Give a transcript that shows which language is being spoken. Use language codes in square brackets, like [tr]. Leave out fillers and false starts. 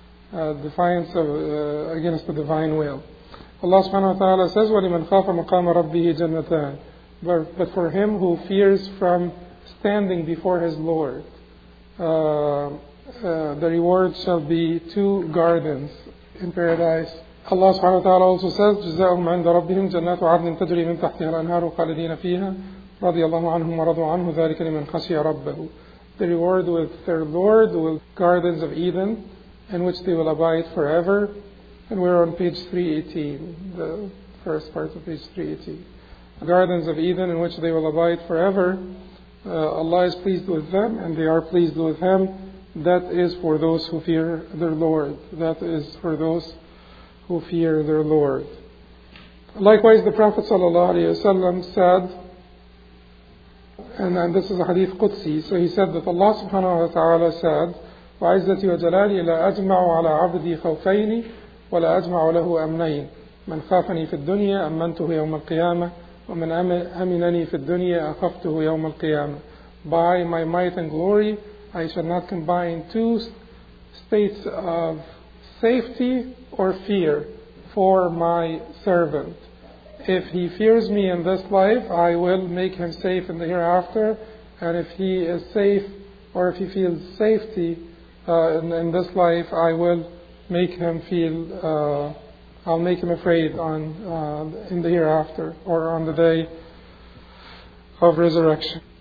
[en] Defiance of, against the divine will. Allah subhanahu wa ta'ala says, [ar] وَلِمَنْ خَافَ مَقَامَ رَبِّهِ جَنَّتَانِ. [en] But for him who fears from standing before his Lord, the reward shall be two gardens in paradise. [ar] Allah subhanahu wa ta'ala [en] also says, [ar] جزاؤهم عند ربهم جنات عدن تجري من تحتها الأنهار خالدين فيها رضي الله عنهم ورضوا عنه ذلك لمن خشي ربه. [en] The reward with their Lord will gardens of Eden, in which they will abide forever. And we're on page 318, the first part of page 318. Gardens of Eden in which they will abide forever. Allah is pleased with them and they are pleased with Him. That is for those who fear their Lord. That is for those who fear their Lord. Likewise, the Prophet sallallahu alaihi wasallam said, and this is a hadith Qudsi, so he said that Allah subhanahu wa ta'ala said, [ar] وَعِزَّتِي وَجَلَالِي لَا أَجْمَعُ عَلَى عَبْدِي خَوْفَيْنِ وَلَا أَجْمَعُ لَهُ أَمْنَيْنِ مَنْ خَافَنِي فِي الدُّنْيَا أَمَّنْتُهُ يَوْمَ الْقِيَامَةِ [en] وَمَنْ أَمِنَنِي فِي الدُّنْيَا أَخَفْتُهُ يَوْمَ الْقِيَامَةِ. By my might and glory, I shall not combine two states of safety or fear for my servant. If he fears me in this life, I will make him safe in the hereafter. And if he is safe, or if he feels safety in this life, I will make him feel, I'll make him afraid on in the hereafter, or on the day of resurrection.